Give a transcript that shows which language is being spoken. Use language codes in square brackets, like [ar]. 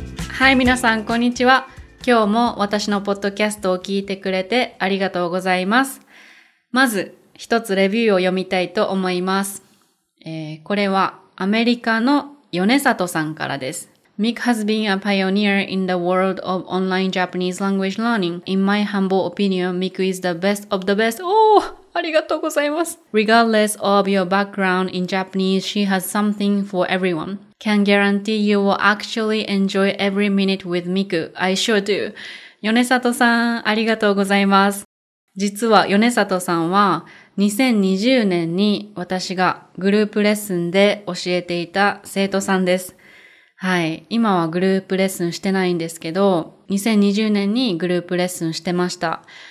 [ja] はい、皆さんこんにちは。今日も私のポッドキャストを聞いてくれてありがとうございます。まず一つレビューを読みたいと思います。これはアメリカの米里さんからです。 [en] Mick has been a pioneer in the world of online Japanese language learning. In my humble opinion, Mick is the best of the best. [ja] Oh, ありがとうございます。 [en] Regardless of your background in Japanese, she has something for everyone. Can guarantee you will actually enjoy every minute with Mick. I sure do. [ja] 米里さん、ありがとうございます。実は米里さんは2020年に私がグループレッスンで教えていた生徒さんです。はい。今はグループレッスンしてないんですけど、2020年にグループレッスンしてました。